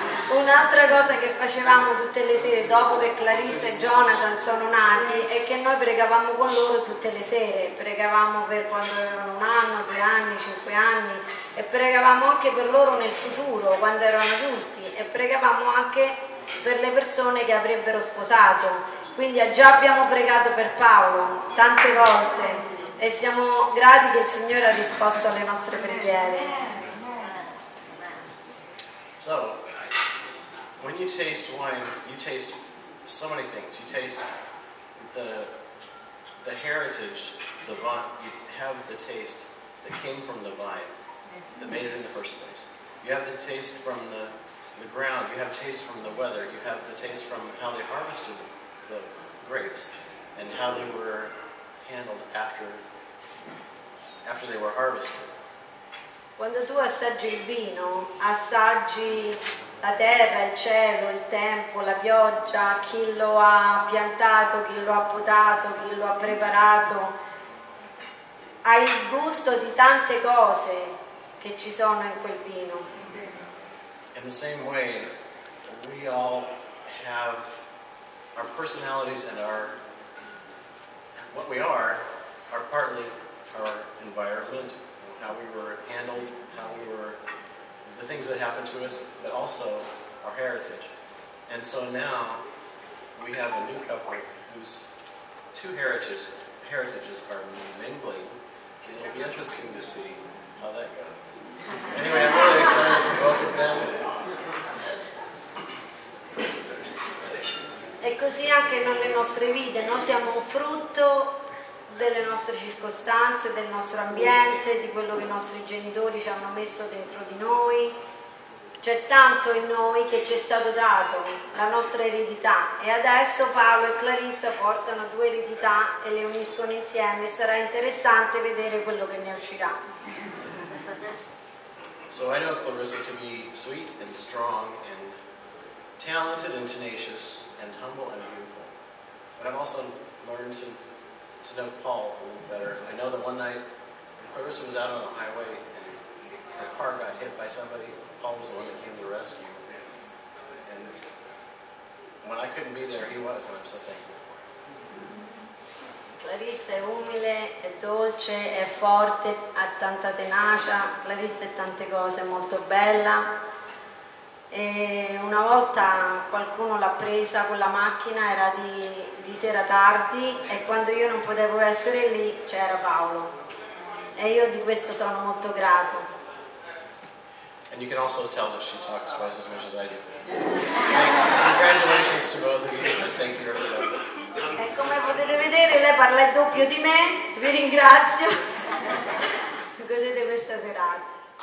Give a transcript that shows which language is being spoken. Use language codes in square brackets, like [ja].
[it] Un'altra cosa che facevamo tutte le sere dopo che Clarissa e Jonathan sono nati è che noi pregavamo con loro tutte le sere, pregavamo per quando avevano un anno, 2 anni, 5 anni, e pregavamo anche per loro nel futuro, quando erano adulti, e pregavamo anche per le persone che avrebbero sposato. Quindi già abbiamo pregato per Paolo tante volte e siamo grati che il Signore ha risposto alle nostre preghiere. [en] So, when you taste wine, you taste so many things. You taste the heritage, the vine. You have the taste that came from the vine that made it in the first place. You have the taste from the ground. You have taste from the weather. You have the taste from how they harvested the grapes and how they were handled after they were harvested. [it] Quando tu assaggi il vino, assaggi la terra, il cielo, il tempo, la pioggia, chi lo ha piantato, chi lo ha potato, chi lo ha preparato. Hai il gusto di tante cose che ci sono in quel vino. [en] In the same way, we all have our personalities and our what we are partly our environment. How we were handled, how we were, the things that happened to us, but also our heritage. And so now we have a new couple whose two heritages are mingling. It will be interesting to see how that goes. Anyway, I'm really excited for both of them. [it] E così anche nelle nostre vite, noi siamo frutto delle nostre circostanze, del nostro ambiente, di quello che i nostri genitori ci hanno messo dentro di noi. C'è tanto in noi che ci è stato dato, la nostra eredità. E adesso Paolo e Clarissa portano due eredità e le uniscono insieme. Sarà interessante vedere quello che ne uscirà. [en] So I know Clarissa to be sweet and strong and talented and tenacious and humble and beautiful. But I've also learned to know Paul a little better. I know that one night Clarissa was out on the highway and her car got hit by somebody. Paul was the one that came to the rescue. And when I couldn't be there, he was, and I'm so thankful for it. [it] Clarissa è umile, è dolce, è forte, ha tanta tenacia. Clarissa è tante cose, molto bella. E una volta qualcuno l'ha presa con la macchina, era di sera tardi e quando io non potevo essere lì c'era Paolo e io di questo sono molto grato. [en] And you can also tell that she talks twice as much as I do. Congratulations to both of you and thank you everybody. [it] E come potete vedere lei parla il doppio di me, vi ringrazio, godete questa serata.